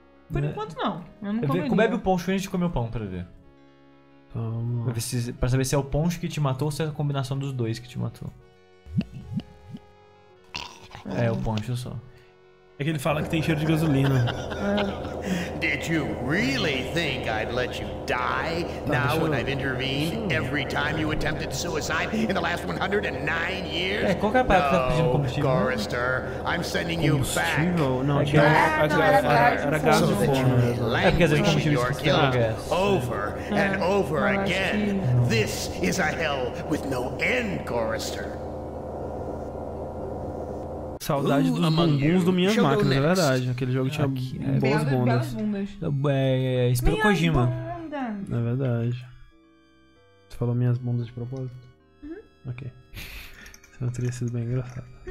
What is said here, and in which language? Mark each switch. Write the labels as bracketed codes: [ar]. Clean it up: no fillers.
[pt] Por enquanto não. Eu não comeria. Bebe o poncho antes de comer o pão pra ver. Vamos lá. Pra saber se é o poncho que te matou ou se é a combinação dos dois que te matou. É, o poncho só. É que ele fala que tem cheiro de gasolina. [en] Did you really think I'd let you die now when I've intervened every time you attempted suicide in the last 109 years? [pt] É, qual que é a parte que tá pedindo combustível? [en] Gorister, I'm sending you back. [pt] Não, era gás de forno. É porque às vezes o combustível esquecendo o gás. [en] Over and over again. This is a hell with no end, Gorister. [pt] Saudade dos bumbuns do Minhas Máquinas, é verdade. Aquele jogo tinha boas bundas. Espero Kojima. É verdade. Tu falou Minhas Bundas de propósito? Uhum. Ok. Senão teria sido bem engraçado.